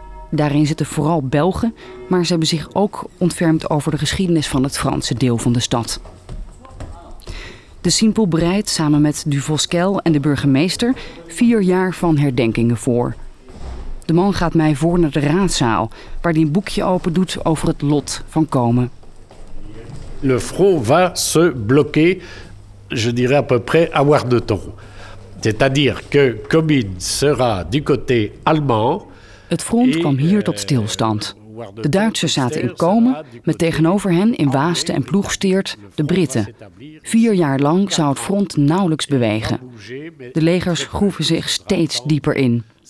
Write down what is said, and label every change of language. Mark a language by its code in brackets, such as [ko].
[nl] Daarin zitten vooral Belgen, maar ze hebben zich ook ontfermd over de geschiedenis van het Franse deel van de stad. De Simpel bereidt samen met Du Vosquel en de burgemeester 4 jaar van herdenkingen voor. De man gaat mij voor naar de raadzaal, waar hij een boekje open doet over het lot van Komen. [fr] Le front va se bloquer, je dirais à peu près à Warneton. C'est-à-dire que Comines sera du côté allemand. [nl] Het front kwam hier tot stilstand. De Duitsers zaten in Komen, met tegenover hen in Waasten en Ploegsteert de Britten. 4 jaar lang zou het front nauwelijks bewegen. De legers groeven zich steeds dieper in.